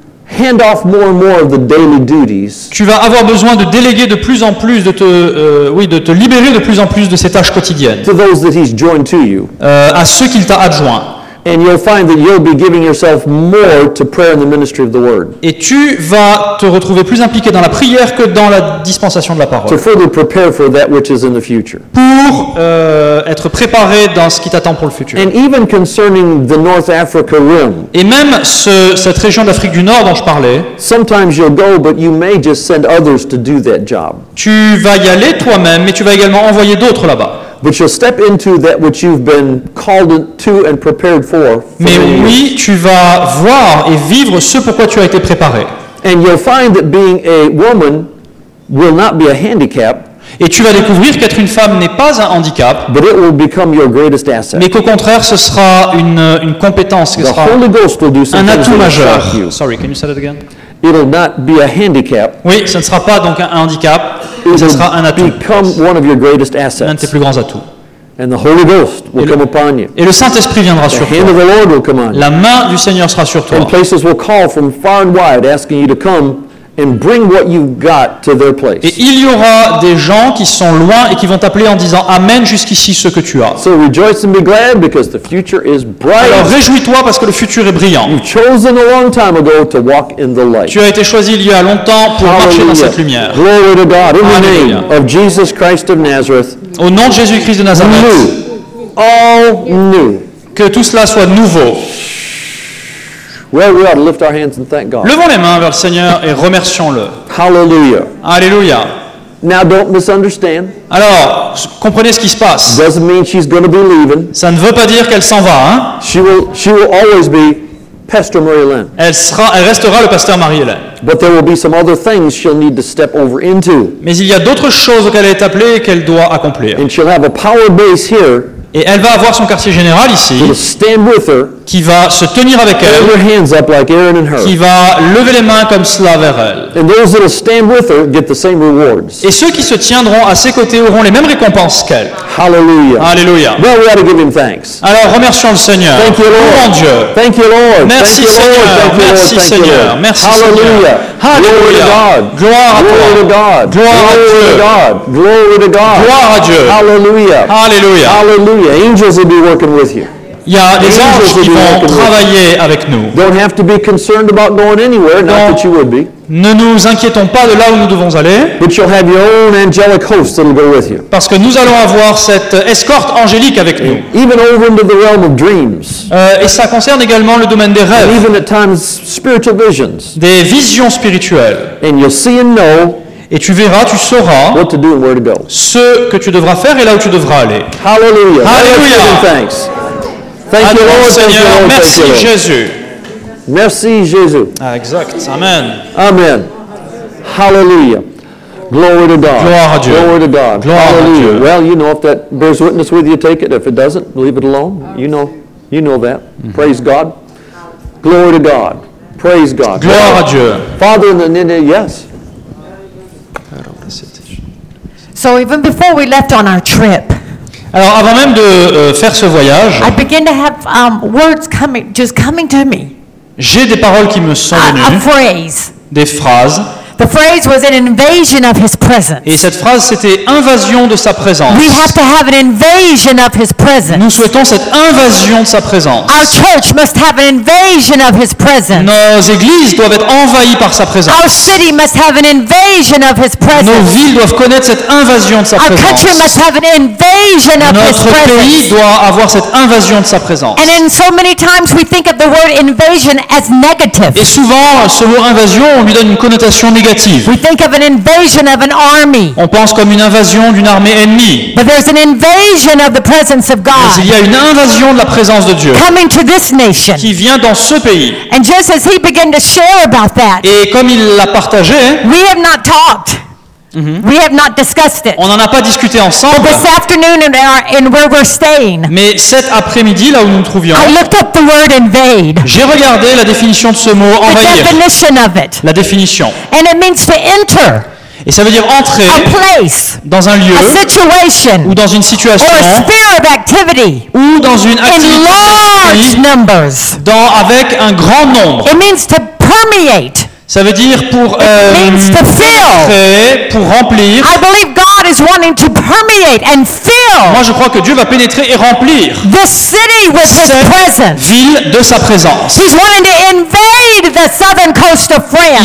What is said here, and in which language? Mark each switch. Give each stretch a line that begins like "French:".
English: hand off more and more of the daily duties.
French: Tu vas avoir besoin de déléguer de plus en plus, de te libérer de plus en plus de ces tâches quotidiennes.
English: To those that he's joined to you.
French: À ceux qu'il t'a adjoint.
English: And you'll find that you'll be giving yourself more to prayer and the ministry of the word.
French: Et tu vas te retrouver plus impliqué dans la prière que dans la dispensation de la parole.
English: To further prepare for that which is in the future.
French: Pour être préparé dans ce qui t'attend pour le futur.
English: And even concerning the North Africa realm.
French: Et même cette région d'Afrique du Nord dont je parlais.
English: Sometimes you'll go, but you may just send others to do that job.
French: Tu vas y aller toi-même, mais tu vas également envoyer d'autres là-bas.
English: But you'll step into that which you've been called to and prepared for.
French: Mais oui, tu vas voir et vivre ce pour quoi tu as été préparé.
English: And you'll find that being a woman will not be a handicap.
French: Et tu vas découvrir qu'être une femme n'est pas un handicap.
English: But it will become your greatest asset.
French: Mais qu'au contraire, ce sera une compétence, ce sera
English: Holy Ghost will do
French: un atout majeur.
English: Sorry, can you say that again? It'll not be a handicap.
French: Oui, ce ne sera pas donc un handicap. Ce sera un atout.
English: Become one of your greatest assets.
French: Un de tes plus grands atouts.
English: And the Holy Ghost will come upon you.
French: Et le Saint-Esprit viendra sur toi.
English: The hand of the Lord will come on you.
French: La main du Seigneur sera sur toi.
English: And places will call from far and wide, asking you to come and bring what you've got to their place.
French: Et il y aura des gens qui sont loin et qui vont t'appeler en disant amène jusqu'ici ce que tu as.
English: So rejoice and be glad because the future is bright.
French: Alors réjouis-toi parce que le futur est brillant.
English: You've chosen a long time ago to walk in the light.
French: Tu as été choisi il y a longtemps pour
English: Hallelujah.
French: Marcher dans cette lumière.
English: Glory to God in the name of Jesus Christ of Nazareth.
French: Au nom de Jésus-Christ de Nazareth.
English: New. All new.
French: Que tout cela soit nouveau.
English: Well, we ought to lift our hands and thank God.
French: Levons les mains vers le Seigneur et remercions-le.
English: Hallelujah. Hallelujah. Now, don't misunderstand.
French: Alors, comprenez ce qui se passe.
English: Doesn't mean she's going to be leaving.
French: Ça ne veut pas dire qu'elle s'en va, hein?
English: She will always be Pastor Marie Lynn.
French: Elle restera le pasteur Marie Lynn.
English: But there will be some other things she'll need to step over into.
French: Mais il y a d'autres choses auxquelles elle est appelée et qu'elle doit accomplir.
English: And she'll have a power base here.
French: Et elle va avoir son quartier général ici qui va se tenir avec elle, qui va lever les mains comme cela vers elle. Et ceux qui se tiendront à ses côtés auront les mêmes récompenses qu'elle. Alléluia. Alors remercions le Seigneur.
English: Thank you, Lord.
French: Mon Dieu.
English: Thank you, Lord.
French: Merci Seigneur. Merci Seigneur. Merci Seigneur. Alléluia. Gloire à toi. Gloire à Dieu. Gloire à Dieu. Gloire à Dieu. Alléluia. Alléluia.
English: Hallelujah. Angels will be working with you.
French: Il y a des anges qui vont travailler avec nous.
English: Don't have to be concerned about going anywhere, not that you would be.
French: Ne nous inquiétons pas de là où nous devons aller.
English: But you'll have your own angelic host that'll go with you.
French: Parce que nous allons avoir cette escorte angélique avec nous.
English: Even over into the realm of dreams.
French: Et ça concerne également le domaine des rêves.
English: And even at times spiritual visions.
French: Des visions spirituelles.
English: And you'll see and know.
French: Et tu verras, tu sauras
English: what to do and where to go.
French: Ce que tu devras faire et là où tu devras aller.
English: Hallelujah. Hallelujah. Thanks. Thank you, Lord.
French: Seigneur. Merci, Jésus. Merci, Jésus. Ah, exact. Amen.
English: Amen. Hallelujah. Glory to God.
French: Gloire à Dieu.
English: Glory to God.
French: Gloire
English: Hallelujah.
French: À Dieu.
English: Well, you know, if that bears witness with you, take it. If it doesn't, leave it alone. You know that. Mm-hmm. Praise God. Glory to God. Praise God.
French: Gloire à Dieu.
English: Father, in the name, yes. So even before we left on our trip.
French: Alors avant même de faire ce voyage.
English: I begin to have words coming, just coming to me.
French: J'ai des paroles qui me sont venues.
English: A phrase.
French: Des phrases.
English: The phrase was an invasion of his presence.
French: Et cette phrase c'était invasion de sa présence.
English: We have to have an invasion of his presence.
French: Nous souhaitons cette invasion de sa présence.
English: Our church must have an invasion of his presence.
French: Nos églises doivent être envahies par sa présence.
English: Our city must have an invasion of his presence.
French: Nos villes doivent connaître cette invasion de sa présence.
English: Our country must have an invasion of his presence.
French: Notre pays doit avoir cette invasion de sa présence.
English: And in so many times we think of the word invasion as negative.
French: Et souvent ce mot invasion on lui donne une connotation négative.
English: We think of an invasion of an army.
French: On pense comme une invasion d'une armée ennemie.
English: But there's an invasion of the presence of God.
French: Mais il y a une invasion de la présence de Dieu.
English: Coming to this nation.
French: Qui vient dans ce pays.
English: And just as he began to share about that.
French: Et comme il l'a partagé.
English: We have not talked. Mm-hmm. We have not discussed it.
French: On n'en a pas discuté ensemble.
English: But this afternoon in where we're staying.
French: Mais cet après-midi là où nous nous trouvions.
English: I looked up the word invade.
French: J'ai regardé la définition de ce mot envahir.
English: The definition of it.
French: La définition.
English: And it means to enter.
French: Et ça veut dire entrer dans un lieu ou dans une situation ou dans une activité avec un grand nombre.
English: It means to permeate.
French: Ça veut dire pour entrer, pour remplir.
English: I believe God is wanting to permeate and fill.
French: Moi, je crois que Dieu va pénétrer et remplir
English: this city with
French: cette
English: his presence.
French: Ville de sa présence.
English: He's wanting to invade the southern coast of France.